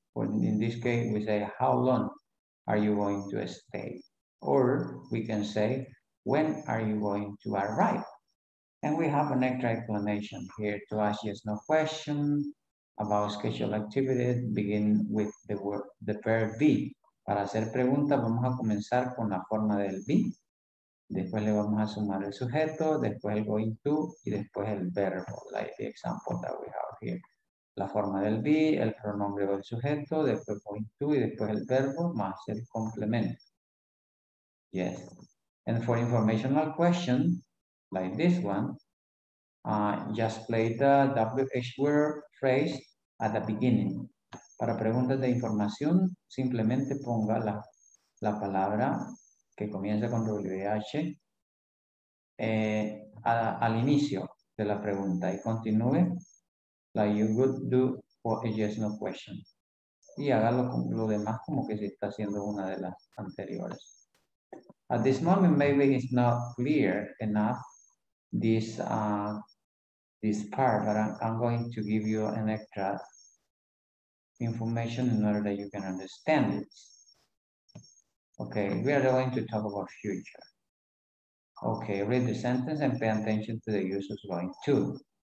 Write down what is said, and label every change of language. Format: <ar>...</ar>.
<en>In this case, we say, how long are you going to stay? Or we can say, when are you going to arrive? And we have an extra explanation here to ask yes, no question about scheduled activity, begin with the word, the verb be.</en> <es>Para hacer preguntas, vamos a comenzar con la forma del be. Después le vamos a sumar el sujeto, después el going to, y después el verbo,</es> <en>like the example that we have here.</en> <es>La forma del be, el pronombre o el sujeto, después going to, y después el verbo, más el complemento.</es> <en>Yes. And for informational question, like this one, just play the WH word phrase at the beginning.</en> <es>Para preguntas de información, simplemente ponga la palabra que comienza con WH al inicio de la pregunta y continúe,</es> <en>like you would do for a yes no question.</en> <es>Y hágalo con lo demás como que se está haciendo una de las anteriores.</es> <en>At this moment, maybe it's not clear enough this part, but I'm going to give you an extra information in order that you can understand it. Okay, we are going to talk about future. Okay, read the sentence and pay attention to the use of going to.</en>